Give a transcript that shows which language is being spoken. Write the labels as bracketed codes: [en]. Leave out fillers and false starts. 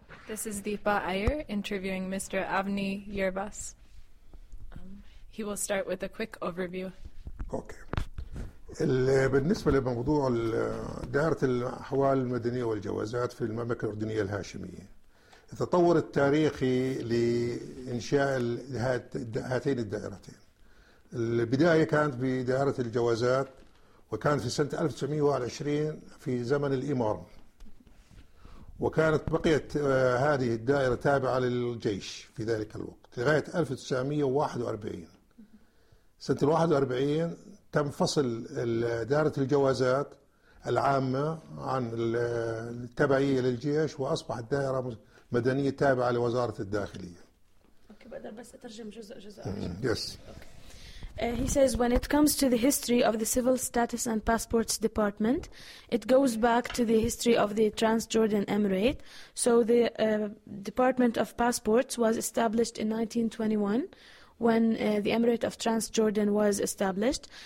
[en] This is Deepa Iyer interviewing Mr. Avni Yerbas. He will start with a quick overview. Okay. [ar] بالنسبة لموضوع دائرة الأحوال المدنية والجوازات في المملكة الأردنية الهاشمية. التطور التاريخي لإنشاء هاتين الدائرتين. البداية كانت بدائرة الجوازات وكانت في سنة 1920 في زمن الإمارة. وكانت بقيت هذه الدائرة تابعة للجيش في ذلك الوقت لغاية 1941. سنة 1941 تنفصل دائرة الجوازات العامة عن التبعية للجيش وأصبحت دائرة مدنية تابعة لوزارة الداخلية. أوكي بقدر بس أترجم جزء جزء. [en] Yes. He says, when it comes to the history of the Civil Status and Passports Department, it goes back to the history of the Transjordan Emirate. So the Department of Passports was established in 1921 when the Emirate of Transjordan was established.